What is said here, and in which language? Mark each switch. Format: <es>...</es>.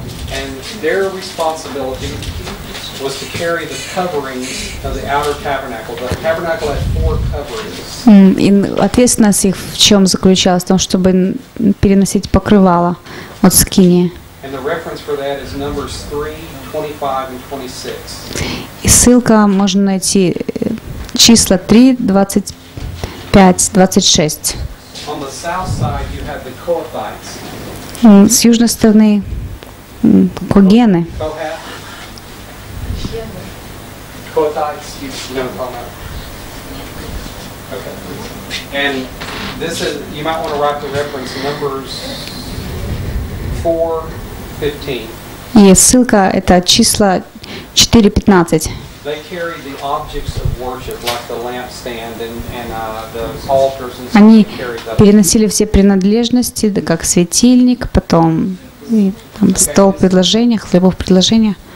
<en>And their responsibility was to carry the coverings of the outer tabernacle. The tabernacle had four coverings.</en> <ru>И ответственность их в чем заключалась? В том, чтобы переносить покрывало от скинии.</ru> <en>And the reference for that is numbers 3, 25 and 26.</en> <ru>И ссылка можно найти числа 3, 25, 26.</ru> <en>On the south side you have the Kohathites.</en> <ru>С южной стороны когены.</ru> <en>Kohathites, you know what I'm talking about. Okay. And this is, you might want to write the reference numbers 4:15.</en> <ru>И ссылка это числа 4:15.</ru> <en>They carry the objects of worship, like the lampstand and the altars and stuff.</en> <ru>Они переносили все принадлежности, как светильник, потом и там стол предложения, хлебов предложения.</ru>